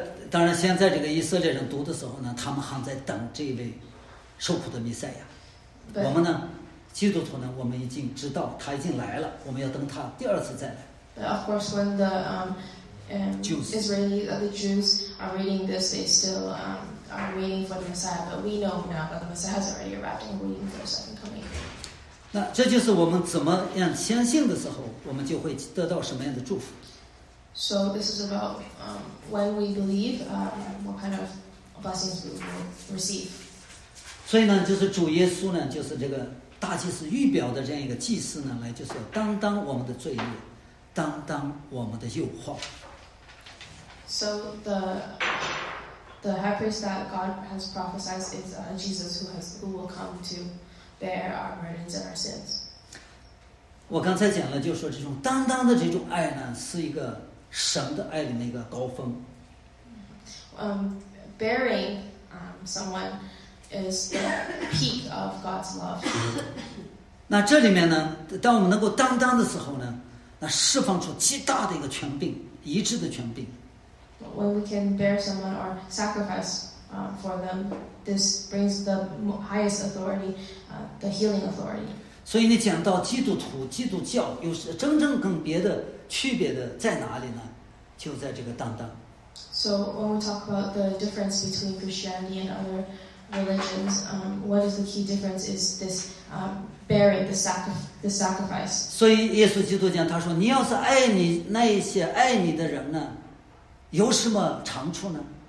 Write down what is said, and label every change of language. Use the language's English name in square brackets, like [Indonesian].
[Chinese] 当然，现在这个以色列人读的时候呢，他们还在等这位受苦的弥赛亚。我们呢，基督徒呢，我们已经知道他已经来了，我们要等他第二次再来。 [English] But of course, when the Israelis, the Jews are reading this, they still are waiting for the Messiah. But we know now that the Messiah has already arrived and waiting for the second coming. [Chinese] 那这就是我们怎么样相信的时候，我们就会得到什么样的祝福。 [English] So this is about when we believe, what kind of blessings we will receive. [Chinese] 所以呢，就是主耶稣呢，就是这个大祭司预表的这样一个祭司呢，来就是担当我们的罪孽。担当我们的诱惑。 [English] So the high priest that God has prophesied is Jesus who will come to bear our burdens and our sins. [Chinese] 我刚才讲了，就是说这种担当的这种爱呢，是一个神的爱里面一个高峰。 [English] Bearing someone is the peak of God's love. [Chinese] 那这里面呢，当我们能够担当的时候呢？那释放出极大的一个权柄，一致的权柄。 [English] When we can bear someone or sacrifice for them, this brings the highest authority, the healing authority. [Chinese] 所以你讲到基督徒、基督教有真正跟别的区别的在哪里呢？就在这个担当。 [English] So when we talk about the difference between Christianity and other religions, what is the key difference is this. Bearing the sacrifice. [Chinese] 所以耶稣基督讲，他说：“你要是爱你那些爱你的人呢，有什么长处呢？